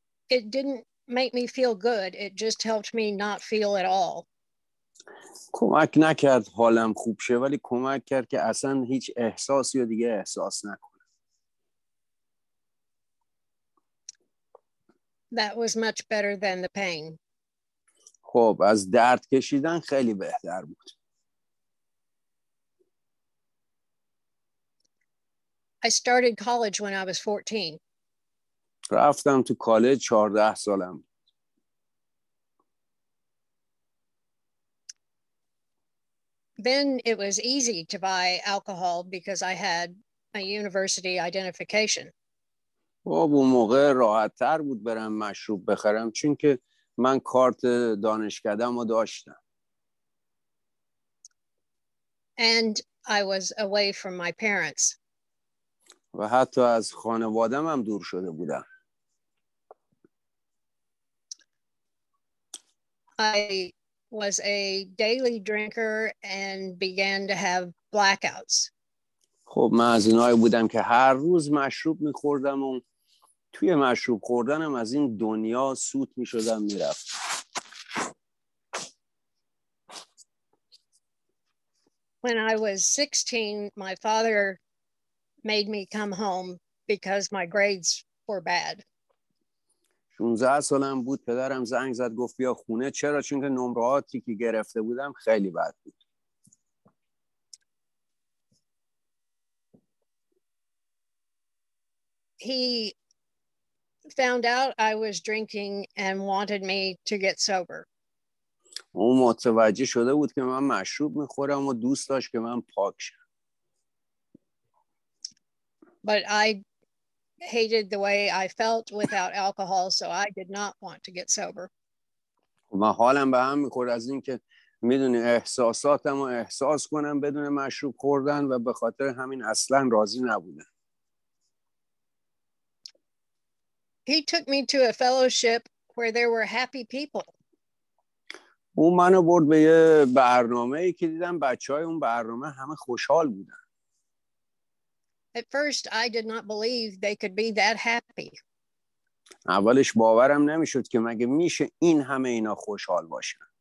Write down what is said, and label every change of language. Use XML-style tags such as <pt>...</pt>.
<en>It didn't make me feel good. It just helped me not feel at all.</en> <fa>کمک نکرد حالم خوب شه، ولی کمک کرد که اصلا هیچ احساسی رو دیگه احساس نکنم.</fa> <en>That was much better than the pain.</en> <fa>خب از درد کشیدن خیلی بهتر بود.</fa> <en>I started college when I was 14.</en> <fa>رفتم تو کالج 14 سالم.</fa> <en>Then it was easy to buy alcohol because I had a university identification.</en> <fa>خب اون موقع راحت تر بود برم مشروب بخرم، چون که من کارت دانشکده‌ام رو داشتم.</fa> <en>And I was away from my parents.</en> <fa>و حتی از خانواده‌ام هم دور شده بودم.</fa> <en>I was a daily drinker and began to have blackouts.</en> <fa>خب من از اینایی بودم که هر روز مشروب می‌خوردم و توی مشروب خوردنم از این دنیا سوت می‌شدم می‌رفتم.</fa> <en>When I was 16, my father made me come home because my grades were bad.</en> <fa>16 سالم بود پدرم زنگ زد گفت بیا خونه چرا چون که نمراتی که گرفته بودم خیلی بد بود.</fa> <en>He found out I was drinking and wanted me to get sober.</en> <fa>او متوجه شده بود که من مشروب میخورم و دوست داشت که من پاک شم.</fa> <en>But I hated the way I felt without alcohol, so I did not want to get sober.</en> <fa>من حالم به هم میخورد از این که میدونی احساساتم رو احساس کنم بدون مشروب خوردن و به خاطر همین اصلا راضی نبودم.</fa> <en>He took me to a fellowship where there were happy people.</en> <fa>او منو برد به یه برنامه ای که دیدم بچه های اون برنامه همه خوشحال بودن.</fa> <en>At first, I did not believe they could be that happy.</en> <fa>اولش باورم نمیشد که مگه میشه این همه اینا خوشحال باشن.</fa>